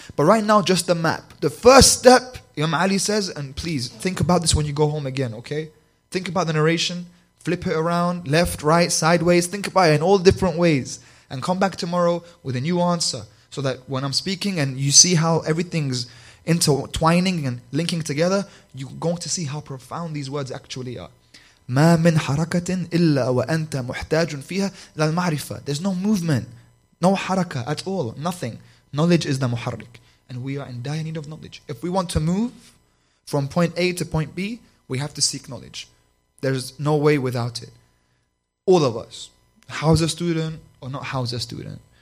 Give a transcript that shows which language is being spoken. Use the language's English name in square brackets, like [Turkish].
[English] But right now, just the map. The first step, Imam Ali says, and please, think about this when you go home again, okay? Think about the narration. Flip it around, left, right, sideways. Think about it in all different ways. And come back tomorrow with a new answer. So that when I'm speaking and you see how everything's intertwining and linking together, you're going to see how profound these words actually are. [Arabic] مَا مِنْ حَرَكَةٍ إِلَّا وَأَنْتَ مُحْتَاجٌ فِيهَا لَلْمَعْرِفَةٍ [English] There's no movement. No haraka at all, nothing. Knowledge is the muharrik. And we are in dire need of knowledge. If we want to move from point A to point B, we have to seek knowledge. There's no way without it. All of us. House a student or not house a student.